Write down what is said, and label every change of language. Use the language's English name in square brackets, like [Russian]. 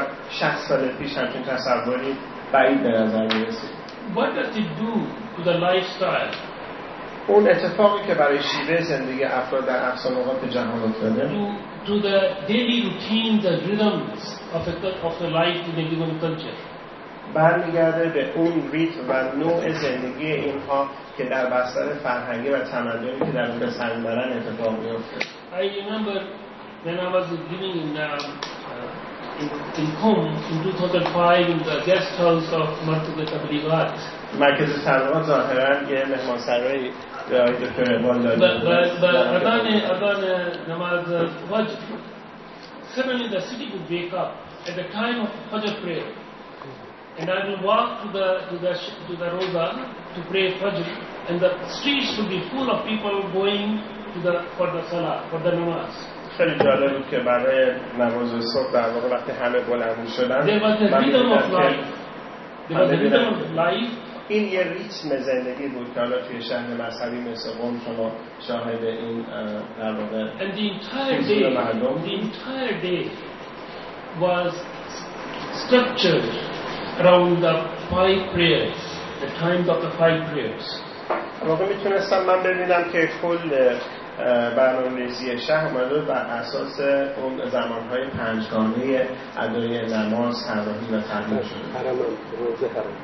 [Persian] 60 سال پیش هم چنین تصوری بعید به نظر میرسید. [English] What does it do to the lifestyle? [Persian] اون اتفاقی که برای شیوه زندگی افراد در اکثر نقاط جهان افتاده [English] to the daily routine, the rhythms of the life in a given culture. [Persian] برمیگرده به اون ریتم و نوع زندگی اینها که در بستر فرهنگی و تمدنی که در اون به سر می‌برن اتفاق می‌افته. [English] I remember when I was living in Qom in 2005 in the guest house of Martin Luther King. [Persian] مرکز سلامات ظاهرا یه مهمانسرای برای دکتر اقبال داده بود. اذان نماز فجر [English] suddenly the city would wake up at the time of fajr prayer and I would walk to the roza to pray fajr and the streets would be full of people going for the salah, for the namaz. [Persian] خیلی جالب بود که برای نماز صبح در واقع وقتی همه بلند شدن این یه ریتم زندگی بود که حالا توی شهر مذهبی مثل قم شما شاهد این در واقع [English] the entire day was structured around the five prayers, the times of the five prayers. [Persian] واقعا میتونستم من ببینم که کل برنامه‌ریزی شهر اومده بر اساس اون زمان‌های پنجگانه ادای نماز، تراویح و تهلیل شده.